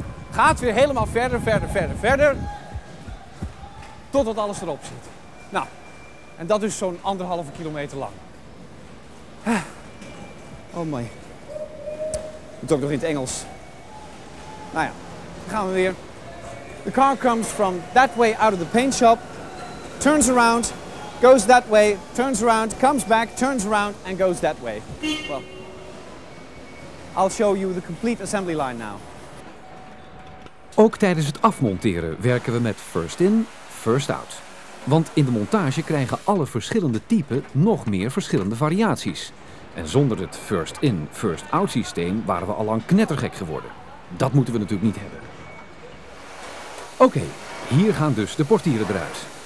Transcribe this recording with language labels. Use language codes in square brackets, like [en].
[nl] Gaat weer helemaal verder, verder, verder, verder. Totdat alles erop zit. Nou, en dat is zo'n 1,5 kilometer lang. [en] Oh my. [nl] Moet ook nog in het Engels. Nou ja, dan gaan we weer. [en] The car comes from that way out of the paint shop. Turns around, goes that way, turns around, comes back, turns around and goes that way. Well, I'll show you the complete assembly line now. [nl] Ook tijdens het afmonteren werken we met first in, first out. Want in de montage krijgen alle verschillende typen nog meer verschillende variaties. En zonder het first in, first out systeem waren we al lang knettergek geworden. Dat moeten we natuurlijk niet hebben. Oké, hier gaan dus de portieren eruit.